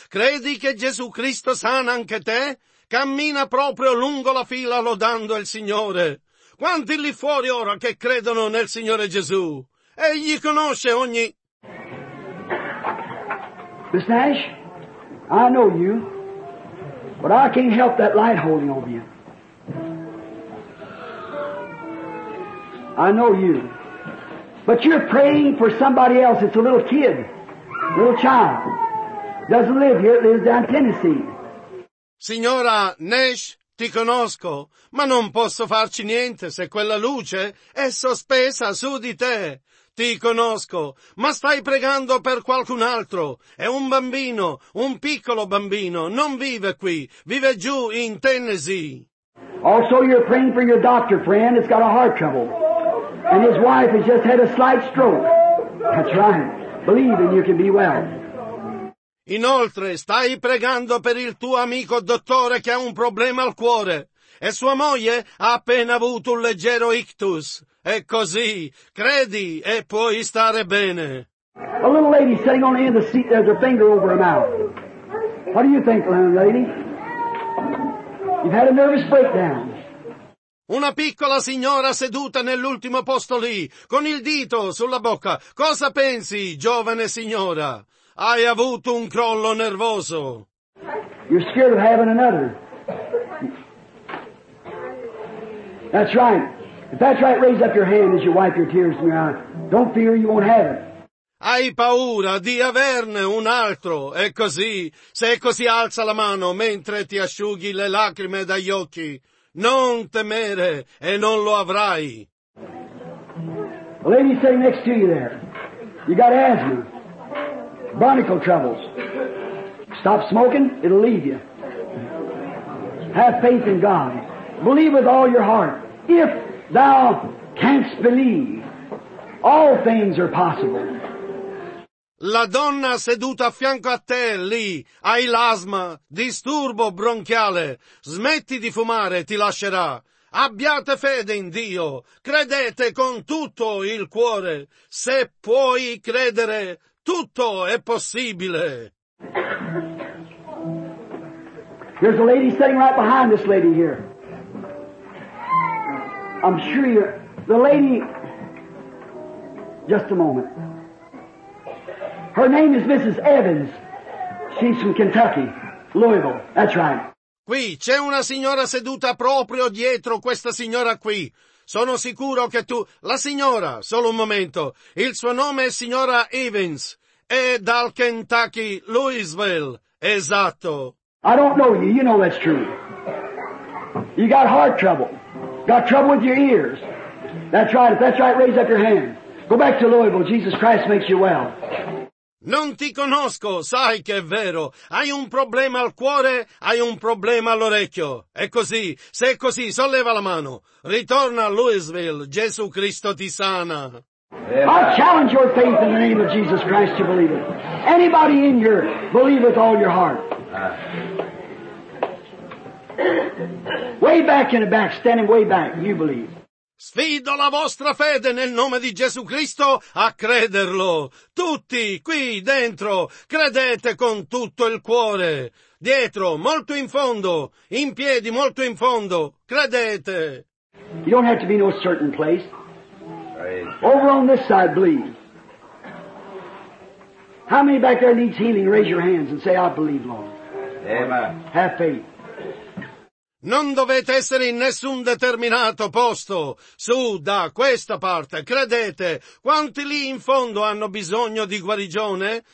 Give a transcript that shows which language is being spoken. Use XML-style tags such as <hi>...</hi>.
<it>Credi che Gesù Cristo sana anche te? Cammina proprio lungo la fila lodando il Signore. Quanti lì fuori ora che credono nel Signore Gesù? Egli conosce ogni...</it> <en>Miss Nash, I know you, but I can't help that light holding over you. I know you. But you're praying for somebody else. It's a little kid, a little child. Doesn't live here, lives down Tennessee.</en> <it>Signora Nash, ti conosco, ma non posso farci niente se quella luce è sospesa su di te. Ti conosco, ma stai pregando per qualcun altro. È un bambino, un piccolo bambino, non vive qui, vive giù in Tennessee.</it> <en>Also, you're praying for your doctor friend that's got a heart trouble. And his wife has just had a slight stroke. That's right. Believe and you can be well.</en> <it>Inoltre, stai pregando per il tuo amico dottore che ha un problema al cuore. E sua moglie ha appena avuto un leggero ictus. E così, credi e puoi stare bene.</it> <en>A little lady sitting on the end of the seat there with her finger over her mouth. What do you think, lady? You've had a nervous breakdown.</en> <it>Una piccola signora seduta nell'ultimo posto lì, con il dito sulla bocca. Cosa pensi, giovane signora? Hai avuto un crollo nervoso.</it> <en>You're scared of having another. That's right. If that's right, raise up your hand as you wipe your tears from your eyes. Don't fear, you won't have it.</en> <it>Hai paura di averne un altro, è così. Se è così, alza la mano mentre ti asciughi le lacrime dagli occhi. Non temere e non lo avrai.</it> <en>The lady sitting next to you there. You got asthma. Bronchial troubles. Stop smoking, it'll leave you. Have faith in God. Believe with all your heart. If thou canst believe, all things are possible.</en> <it>La donna seduta a fianco a te, lì, hai l'asma, disturbo bronchiale. Smetti di fumare, ti lascerà. Abbiate fede in Dio. Credete con tutto il cuore. Se puoi credere, tutto è possibile.</it> <en>There's a lady sitting right behind this lady here. I'm sure you're... The lady... Just a moment. Her name is Mrs. Evans. She's from Kentucky, Louisville. That's right.</en> <it>Qui c'è una signora seduta proprio dietro questa signora qui. Sono sicuro che tu... La signora, solo un momento. Il suo nome è signora Evans. È dal Kentucky, Louisville. Esatto.</it> <en>I don't know you. You know that's true. You got heart trouble. Got trouble with your ears. That's right. If that's right, raise up your hand. Go back to Louisville. Jesus Christ makes you well.</en> <it>Non ti conosco, sai che è vero. Hai un problema al cuore, hai un problema all'orecchio. È così, se è così, solleva la mano. Ritorna a Louisville, Gesù Cristo ti sana.</it> <en>I challenge your faith in the name of Jesus Christ to believe it. Anybody in here, believe with all your heart. Way back in the back, standing way back, you believe.</en> <it>Sfido la vostra fede nel nome di Gesù Cristo a crederlo. Tutti, qui, dentro, credete con tutto il cuore. Dietro, molto in fondo, in piedi, molto in fondo, credete.</it> <en>You don't have to be in a certain place. Over on this side, believe. How many back there needs healing? Raise your hands and say, I believe, Lord. Amen. Have faith.</en> <it>Non dovete essere in nessun determinato posto. Su, da questa parte, credete. Quanti lì in fondo hanno bisogno di guarigione?</it>